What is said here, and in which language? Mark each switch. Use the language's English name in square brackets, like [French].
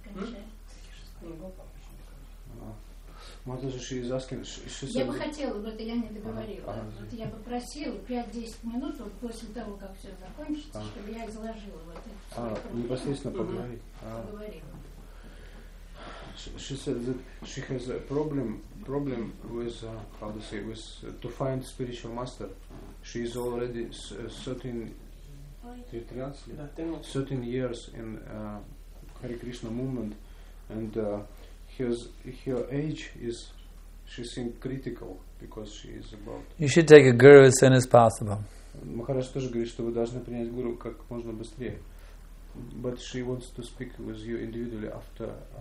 [Russian] кончается. Я бы хотела, вот я не договорила. Вот я попросила 5-10 минут вот после того, как все закончится, чтобы я изложила вот это. Непосредственно поговорить. Поговорила. [English] she said that she has a problem with how to say with to find spiritual master. She is already 13 years in Hare Krishna movement, and her age is, she seems critical because she is about. You should take a guru as soon as possible. [Russian] Maharaj тоже говорит, что вы должны принять гуру как можно быстрее. [English] But she wants to speak with you individually after.